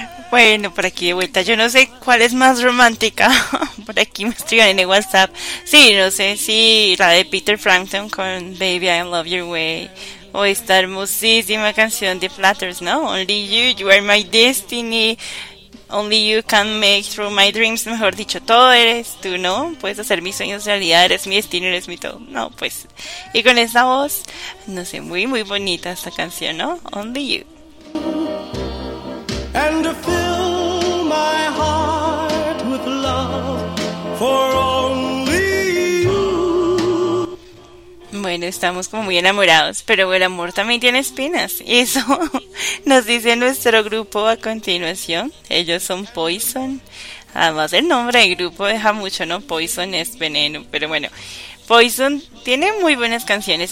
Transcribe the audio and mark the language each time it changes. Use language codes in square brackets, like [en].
[es] Bueno, por aquí de vuelta, yo no sé cuál es más romántica. Por aquí me escriben en el WhatsApp. Sí, no sé si la de Peter Frampton con Baby I Love Your Way o esta hermosísima canción de Flatters, ¿no? [en] Only you, you are my destiny. Only you can make through my dreams. [es] Mejor dicho, todo eres tú, ¿no? Puedes hacer mis sueños realidad, eres mi destino, eres mi todo. No, pues, y con esa voz, no sé, muy muy bonita esta canción, ¿no? [en] Only you. And to fill my heart with love for only you. [es] Bueno, estamos como muy enamorados, pero el amor también tiene espinas. Y eso nos dice nuestro grupo a continuación. Ellos son Poison. Además, el nombre del grupo deja mucho, ¿no? Poison es veneno. Pero bueno, Poison tiene muy buenas canciones.